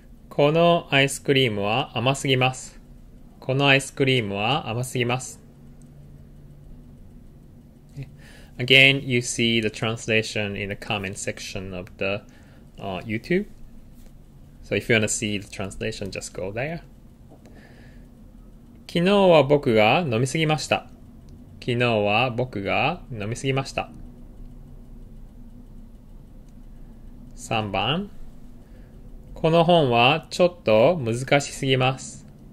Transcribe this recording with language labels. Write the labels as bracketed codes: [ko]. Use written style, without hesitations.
[ja] このアイスクリームは甘すぎます。このアイスクリームは甘すぎます。 [en] Again, you see the translation in the comment section of the YouTube. So if you want to see the translation, just go there. [ja] 昨日は僕が飲みすぎました。昨日は僕が飲みすぎました。 3番。この本はちょっと難しすぎます。